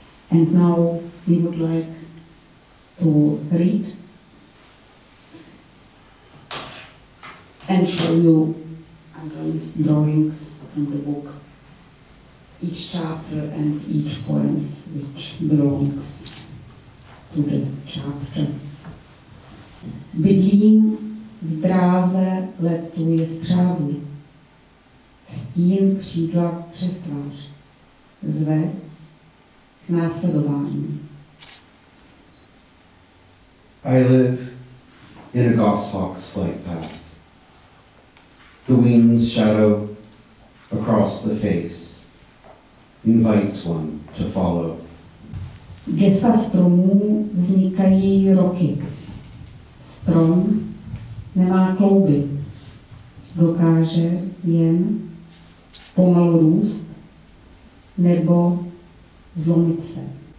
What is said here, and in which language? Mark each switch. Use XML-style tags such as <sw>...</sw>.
<en>And now, we would like to read and show you Anthony's drawings from the book, each chapter and each poem which belongs to the chapter.</en> <cs>Bydlím v dráze letu je střávu, stín křídla přes tvář, zve k následování.</cs> <en>I live in a goshawk's flight path. The wing's shadow across the face invites one to follow.</en> <cs>Gesta stromů vznikají roky. Strom nemá klouby. Dokáže jen pomalu růst nebo zlomit se.</cs>